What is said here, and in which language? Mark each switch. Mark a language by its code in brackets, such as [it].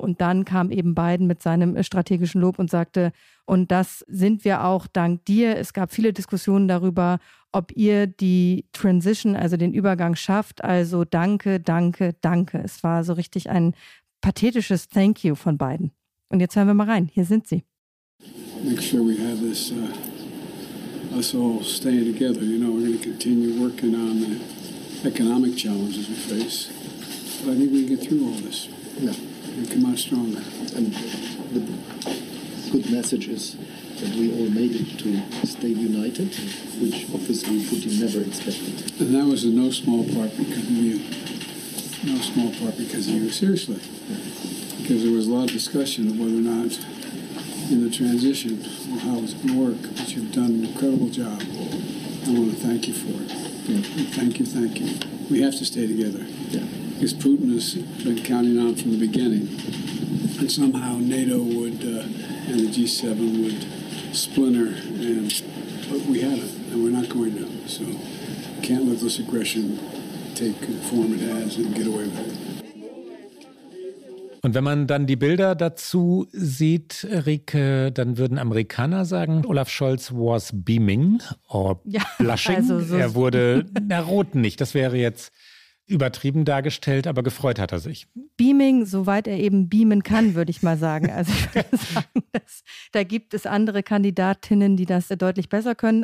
[de] Und dann kam eben Biden mit seinem strategischen Lob und sagte, und das sind wir auch dank dir. Es gab viele Diskussionen darüber, ob ihr die Transition, also den Übergang schafft. Also danke, danke, danke. Es war so richtig ein pathetisches [en] Thank you [de] von Biden. Und jetzt hören wir mal rein. Hier sind sie. [en] Make sure we have this, us all staying together. You know, we're going to continue working on the economic challenges we face. But I think we can get through all this. Yeah. And come out stronger. And the good message is that we all made it to stay united, which obviously Putin never expected. And that was in no small part because of you. No small part because of you. Seriously. Because there was a lot of discussion of whether or not in the transition or how it's going to work. But you've done an incredible job. I want to thank you for it. Yeah. Thank you, thank you. We have to stay together. Yeah. Because Putin has been counting on from the beginning that somehow NATO would and the G7 would splinter, but we haven't, and we're not going to. So can't let this aggression take the form it has and get away with it. [de] Und wenn man dann die Bilder dazu sieht, Rieke, dann würden Amerikaner sagen, Olaf Scholz [en] was beaming or blushing. [de] Also so. Er wurde, na rot nicht, das wäre jetzt übertrieben dargestellt, aber gefreut hat er sich. Beaming, soweit er eben beamen kann, würde ich mal sagen. Also ich würde sagen, da gibt es andere Kandidatinnen, die das deutlich besser können.